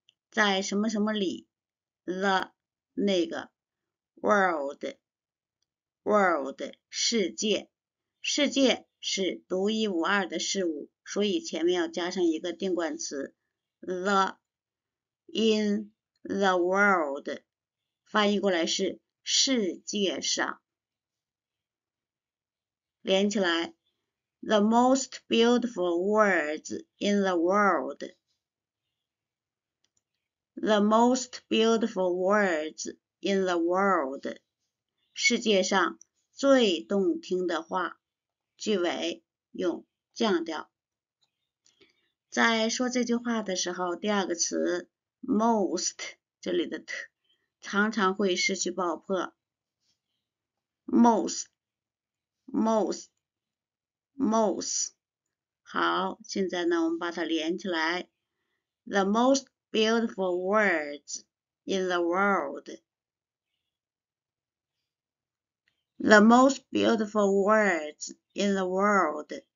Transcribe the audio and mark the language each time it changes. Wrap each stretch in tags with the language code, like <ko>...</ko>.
<zh>在什么什么里，the 那个 world 世界，世界是独一无二的事物，所以前面要加上一个定冠词</zh> <en>the in the world，</en> <zh>翻译过来是世界上，连起来</zh> <en>the most beautiful words in the world。 The most beautiful words in the world，</en> <zh>世界上最动听的话。句尾用降调。在说这句话的时候，第二个词 most 这里的 t 常常会失去爆破。</zh> <en>most，most，most。</en> <zh>好，现在呢，我们把它连起来。</zh> <en>The most beautiful words in the world. The most beautiful words in the world.</en>